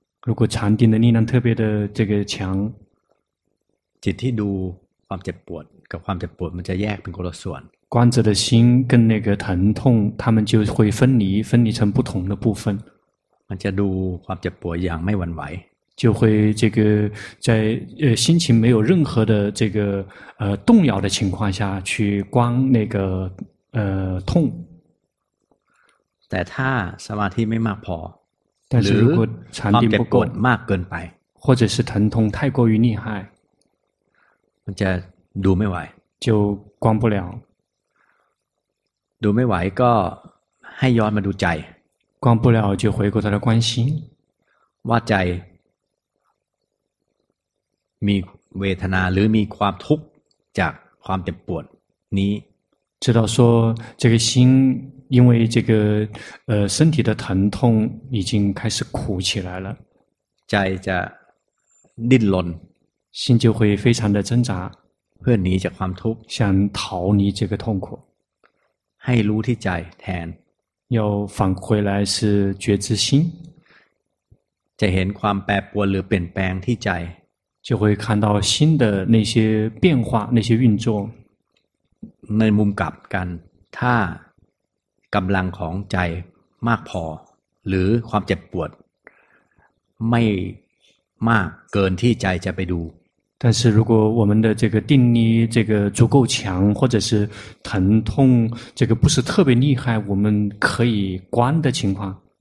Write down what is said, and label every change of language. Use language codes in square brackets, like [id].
[zh] 如果禅定的力量特别的这个强 [th] จิตที่ดูความเจ็บปวดกับความเจ็บปวดมันจะแยกเป็นคนละส่วน [zh] 观者的心跟那个疼痛他们就会分离成不同的部分 [th] มันจะดูความเจ็บปวดอย่างไม่หวั่นไหว [zh] 就会这个在心情没有任何的这个动摇的情况下去观那个痛 [th] แต่ถ้าสมาธิไม่มากพ อหรือ ความเจ็บปวดมากเกินไป [zh] 或者是疼痛太过于厉害 [th] มันจะดูไม่ไหว [zh] 就观不了 [th] ดูไม่ไหวก็ให้ย้อนมาดูใจ [zh] 观不了就回过头来关心 [th] ว่าใจมีเวทนาหรือมีความทุกข์จากความเจ็บปวดนี้ [zh] 知道说这个心因为这个身体的疼痛已经开始苦起来了 [th] ใจจะดิ้นรน [zh] 心就会非常的挣扎 [th] เพื่อหนีจากความทุกข์ [zh] 想逃离这个痛苦 [th] ให้รู้ที่ใจแทน [zh] 要反回来是觉知心 [th] จะเห็นความแปรปรวนหรือเปลี่ยนแปลงที่ใจ [zh] 就会看到新的那些变化那些运作 [th] ในมุมกลับกันถ้ากำลังของใจมากพอหรือความเจ็บปวดไม่มากเกินที่ใจจะไปดู [zh] 但是如果我们的这个定力这个足够强或者是疼痛这个不是特别厉害我们可以观的情况